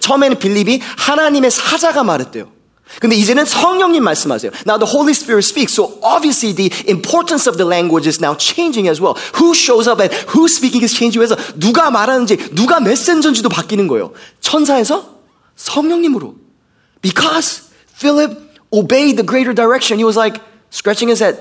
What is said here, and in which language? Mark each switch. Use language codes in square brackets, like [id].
[ko] 처음에는 빌립이 하나님의 사자가 말했대요. 근데 이제는 성령님 말씀하세요. [en] Now the Holy Spirit speaks. So obviously the importance of the language is now changing as well. Who shows up and who speaking is changing. [ko] 그래서 누가 말하는지, 누가 메신저인지도 바뀌는 거예요. 천사에서 성령님으로. [en] Because Philip obeyed the greater direction. He was like scratching his head.